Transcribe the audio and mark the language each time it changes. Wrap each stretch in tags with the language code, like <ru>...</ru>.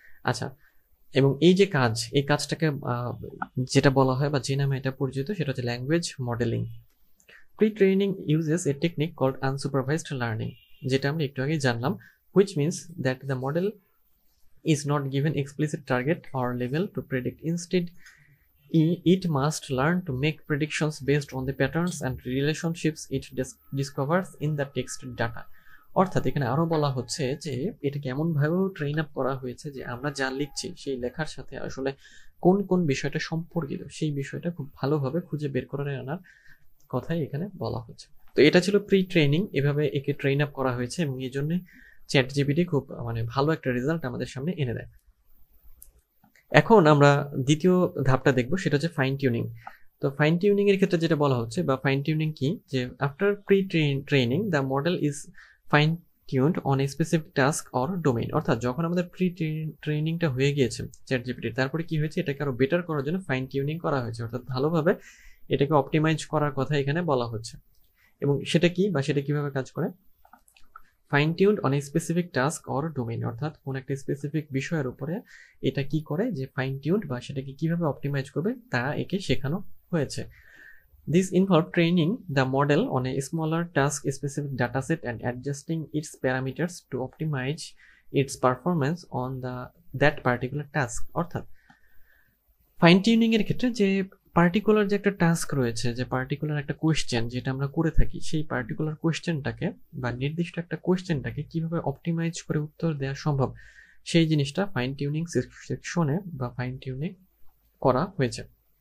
<bn>আচ্ছা, এবং এই যে কাজ, এই কাজটাকে যেটা বলা হয় বা যে নামে এটা পরিচিত সেটা হচ্ছে language modelling.</bn> <en>pre training uses a technique called unsupervised learning,</en> <bn>যেটা আমরা একটু আগে জানলাম,</bn> <en>Which means that the model is not given explicit target or level to predict, instead it must learn to make predictions based on the patterns and relationships it discovers in the text data.</en> <bn>অর্থাৎ এখানে আরো বলা হচ্ছে যে এটা কেমন ভাবে train up করা হয়েছে যে আমরা যা লিখছি সেই লেখার সাথে আসলে কোন কোন বিষয়টা সম্পর্কিত সেই বিষয়টা খুব ভালোভাবে খুঁজে বের করে আনার কথাই এখানে বলা হচ্ছে। তো এটা ছিল প্রি ট্রেনিং, এভাবে একে ট্রেন আপ করা হয়েছে এবং এই জন্য চ্যাট জিপিটি খুব মানে ভালো একটা রেজাল্ট আমাদের সামনে এনে দেয়। এখন আমরা দ্বিতীয় ধাপটা দেখব, সেটা হচ্ছে ফাইন টিউনিং। তো ফাইন টিউনিং এর ক্ষেত্রে যেটা বলা হচ্ছে বা ফাইন টিউনিং কি, যে</bn> <en>After pre training the model is fine tuned on a specific task or domain.</en> <bn>অর্থাৎ যখন আমাদের প্রি ট্রেনিংটা হয়ে গিয়েছে চ্যাট জিপিটির, তারপরে কি হয়েছে এটাকে আরো বেটার করার জন্য ফাইন টিউনিং করা হয়েছে, অর্থাৎ ভালোভাবে এটাকে অপটিমাইজ করার কথা এখানে বলা হচ্ছে। এবং সেটা কি বা সেটা কিভাবে কাজ করে,</bn> <en>fine tuned on a specific task or domain,</en> <bn>অর্থাৎ কোন একটা স্পেসিফিক বিষয়ের উপরে এটা কি করে যে ফাইন টিউনড বা সেটাকে কিভাবে অপটিমাইজ করবে তা একে শেখানো হয়েছে।</bn> <en>This involved training the model on a smaller task-specific dataset and adjusting its parameters to optimize its performance on that particular task.</en> <bn>অর্থাৎ fine-tuning এর ক্ষেত্রে যে পার্টিকুলার যে একটা টাস্ক রয়েছে, যে পার্টিকুলার একটা কোয়েশ্চেন যেটা আমরা করে থাকি, সেই পার্টিকুলার কোয়েশ্চেনটাকে বা নির্দিষ্ট একটা কোয়েশ্চেনটাকে কীভাবে অপটিমাইজ করে উত্তর দেওয়া সম্ভব সেই জিনিসটা ফাইন টিউনিং সেকশনে বা ফাইন টিউনিং করা হয়েছে।</bn>